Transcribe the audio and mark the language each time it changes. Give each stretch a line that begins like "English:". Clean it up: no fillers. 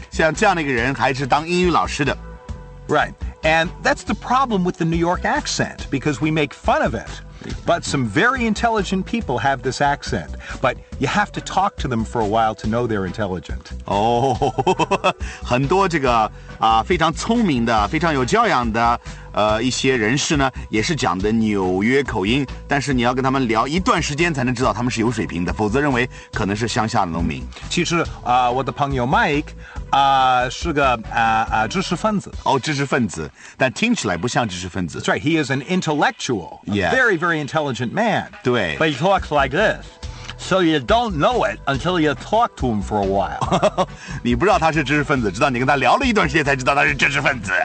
Chinese: 像这样的一个人还是当英语老师的。
English: Right. And that's the problem with the New York accent, because we make fun of it. But some very intelligent people have this accent. But you have to talk to them for a while to know they're intelligent.
Chinese: Oh, 很多这个、非常聪明的、非常有教养的一些人士呢也是讲的纽约口音，但是你要跟他们聊一段时间才能知道他们是有水平的，否则认为可能是乡下的农民。其实我的朋友 Mike 是个知识分子。哦，知识分子，但听起来不像知识分子。
English: That's right, he is an intellectual, a、yeah. very, very intelligent man.
Chinese: 对。
English: But he talks like this, so you don't know it until you talk to him for a while.
Chinese: 你不知道他是知识分子，直到你跟他聊了一段时间才知道他是知识分子。